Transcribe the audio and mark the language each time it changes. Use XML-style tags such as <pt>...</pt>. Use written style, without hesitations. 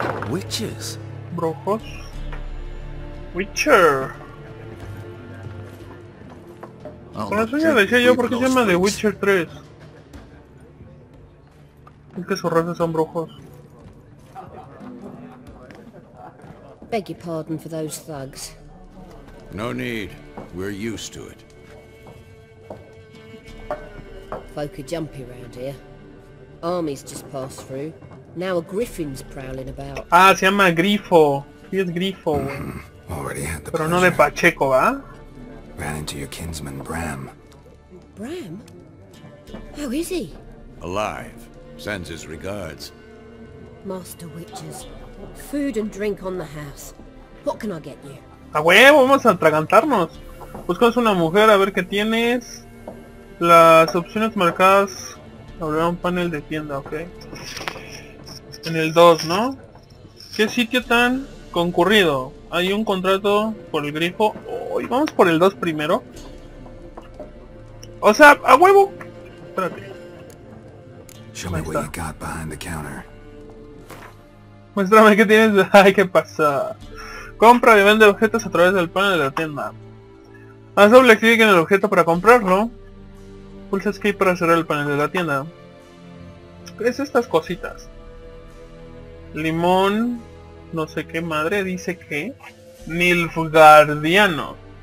<en>Witches.</en> <es>Brujos. Witcher. Con la suya decía yo, ¿por qué se llama The Witcher 3? Es que sus razas son brujos.</es> <en>Beg your pardon for those thugs. No need. We're used to it. Folk are jumpy around here. Armies just passed through. Now a griffin's prowling about.</en> <es>Ah, se llama Grifo. Sí, es Grifo.</es> <en>Already had the pleasure.</en> <es>Pero no de Pacheco, ¿va?</es> <en>Ran into your kinsman Bram. Bram? How is he? Alive. Sends his regards. Master witches. Food and drink on the house. What can I get you?</en> <es>A huevo, vamos a atragantarnos. Buscamos una mujer, a ver qué tienes. Las opciones marcadas. Habrá un panel de tienda, ok. En el 2, ¿no? ¿Qué sitio tan concurrido? Hay un contrato por el grifo. Uy, vamos por el 2 primero. O sea, a huevo. Espérate.</es> <en>Show me what you got behind the counter.</en> <es>Muéstrame qué tienes. Ay, ¿qué pasa? Compra y vende objetos a través del panel de la tienda. Haz doble clic en el objeto para comprarlo. Pulsa Escape para cerrar el panel de la tienda. ¿Qué es estas cositas? Limón, no sé qué madre, dice que Nilfgaardiano.</es>